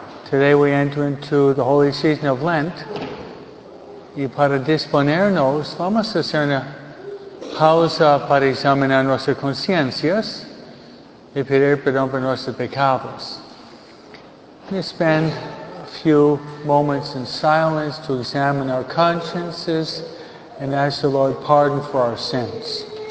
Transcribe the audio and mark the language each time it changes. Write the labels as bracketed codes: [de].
[en] Today we enter into the holy season of Lent. [pt] E para disponernos, vamos fazer uma pausa para examinar nossas consciências e pedir perdão por nossos pecados. [en] We spend a few moments in silence to examine our consciences and ask the Lord pardon for our sins.